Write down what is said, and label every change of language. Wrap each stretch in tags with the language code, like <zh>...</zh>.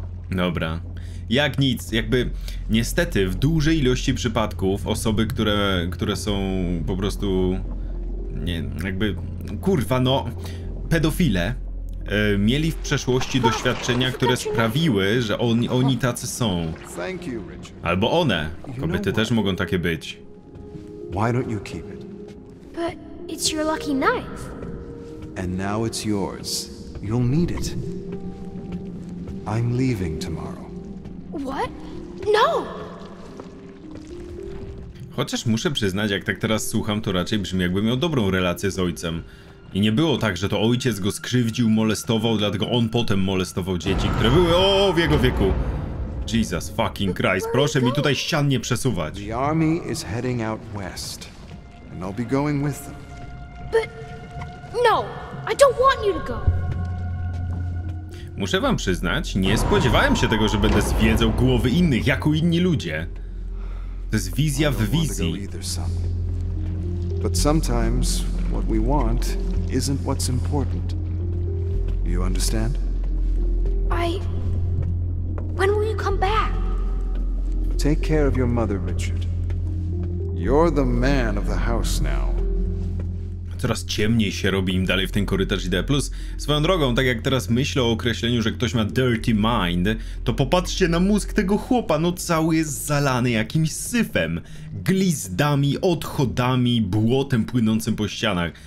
<pl>Dobra. jak nic. Jakby niestety w dużej ilości przypadków osoby, które są po prostu... Nie, jakby... Kurwa, no... Pedofile mieli w przeszłości doświadczenia, które sprawiły, że oni tacy są. Albo one. Kobiety też mogą takie być.</pl> <en>Why don't you keep it? But it's your lucky knife. And now it's yours. You'll need it. I'm leaving tomorrow. What? No!</en> <pl>Chociaż muszę przyznać, jak tak teraz słucham, to raczej brzmi, jakby miał dobrą relację z ojcem. I nie było tak, że to ojciec go skrzywdził, molestował, dlatego on potem molestował dzieci, które były o w jego wieku.</pl> <en>Jesus fucking Christ,</en> <pl>proszę mi tutaj ścian nie przesuwać.</pl> <en>The army is heading out west, and I'll be going with them. But no, I don't want you to go.</en> <pl>Muszę wam przyznać, nie spodziewałem się tego, że będę zwiedzał głowy innych, jak u inni ludzie. To jest wizja w wizji.</pl> <en>But sometimes what we want isn't what's important. You understand? I... When will you come back? Take care of your mother, Richard. You're the man of the house now.</en> <pl>Coraz ciemniej się robi im dalej w ten korytarz ID+. Swoją drogą, tak jak teraz myślę o określeniu, że ktoś ma dirty mind, to popatrzcie na mózg tego chłopa, no cały jest zalany jakimś syfem. Glizdami, odchodami, błotem płynącym po ścianach.</pl>